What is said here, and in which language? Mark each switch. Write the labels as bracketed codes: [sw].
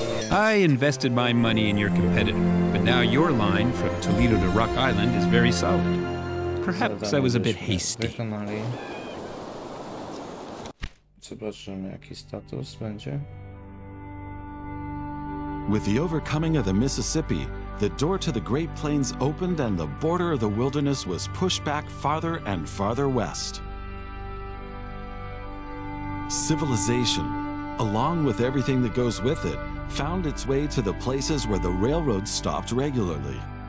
[en] I invested my money in your competitor, but now your line from Toledo to Rock Island is very solid. Perhaps I was a bit hasty. [pl] Zobaczymy, jaki status będzie. [en] With the overcoming of the Mississippi, the door to the Great Plains opened and the border of the wilderness was pushed back farther and farther west. Civilization, along with everything that goes with it, found its way to the places where the railroad stopped regularly.